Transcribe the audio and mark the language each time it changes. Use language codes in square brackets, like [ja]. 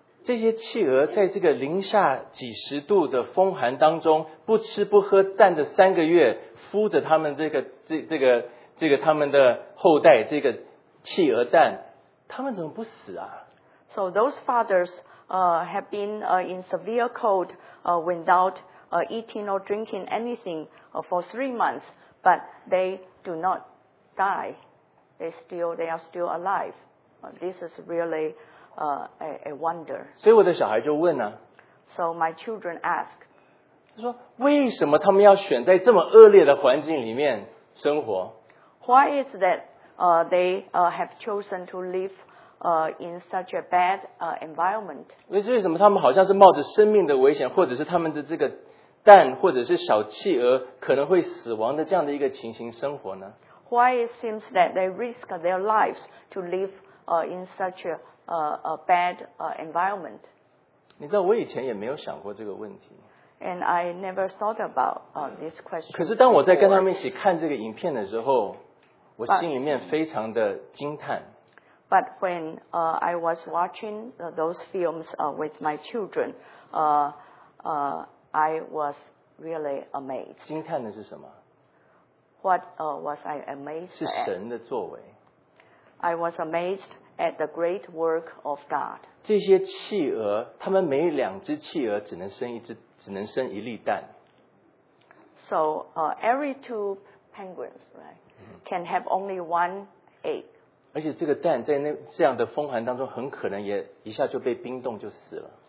[zh] 这些企鹅在这个零下几十度的风寒当中，不吃不喝站着三个月，孵着他们这个他们的后代，这个企鹅蛋，他们怎么不死啊？ [en] So those fathers. Have been in severe cold without eating or drinking anything for 3 months, but they do not die. They are still alive. This is really a wonder. [zh] 所以我的小孩就问呢、啊。 [en] So my children ask. [zh] 他说：“为什么他们要选在这么恶劣的环境里面生活 [en] ？”Why is that? They have chosen to live. In such a bad environment. [zh] 为什么他们好像是冒着生命的危险，或者是他们的这个蛋，或者是小企鹅可能会死亡的这样的一个情形生活呢？ [en] Why it seems that they risk their lives to live in such a bad environment? [zh] 你知道我以前也没有想过这个问题。 [en] And I never thought about this question. [zh] 可是当我在跟他们一起看这个影片的时候，我心里面非常的惊叹。 [en] But when I was watching those films with my children, I was really amazed. [zh] 惊叹的是什么？ [en] What was I amazed at? [zh] 是神的作为。 [en] I was amazed at the great work of God. [zh] 这些企鹅，他们每两只企鹅只能生一只，只能生一粒蛋。 [en] So every two penguins, right, can have only one egg. [zh] 而且这个蛋在那这样的风寒当中，很可能也一下就被冰冻就死了。